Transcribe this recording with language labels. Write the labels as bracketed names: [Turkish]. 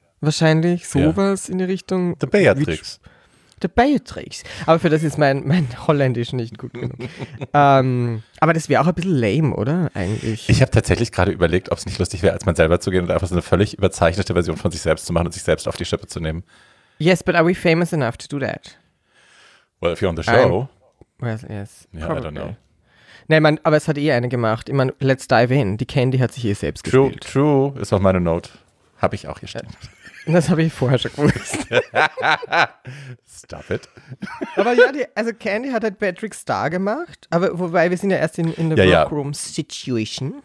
[German] Wahrscheinlich sowas in die Richtung. The Beatrix. The Beatrix. Aber für das ist mein Holländisch nicht gut genug. aber das wäre auch ein bisschen lame, oder? Eigentlich. Ich habe tatsächlich gerade überlegt, ob es nicht lustig wäre, als man selber zu gehen und einfach so eine völlig überzeichnete Version von sich selbst zu machen und sich selbst auf die Schippe zu nehmen. [English] Yes, but are we famous enough to do that? Well, if you're on the show. Well, yes. Yeah, probably. I don't know. [German] Nein, aber es hat eh eine gemacht. Ich meine, [English] let's dive in. [German] Die Candy hat sich eh selbst [English] true, [German] gespielt. True, ist auch meine Note. Habe ich auch gestimmt. Das habe ich vorher schon gewusst. [English] Stop it. [German] Aber ja, also Candy hat halt Patrick Star gemacht. Aber wobei, wir sind ja erst in der Workroom-Situation.